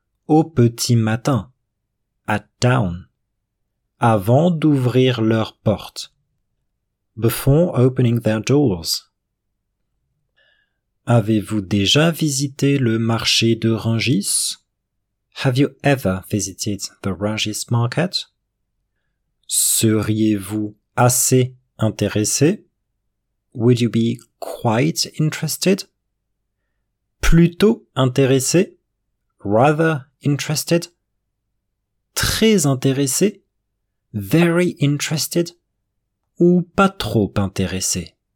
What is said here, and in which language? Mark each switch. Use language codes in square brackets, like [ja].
[fr] au petit matin, [en] at dawn, [fr] avant d'ouvrir leurs portes, [en] before opening their doors. [fr] Avez-vous déjà visité le marché de Rungis? [en] Have you ever visited the Rungis market? [fr] Seriez-vous assez intéressé? [en] Would you be quite interested? [fr] Plutôt intéressé? [en] Rather interested? [fr] Très intéressé? [en] Very interested? [fr] Ou pas trop intéressé?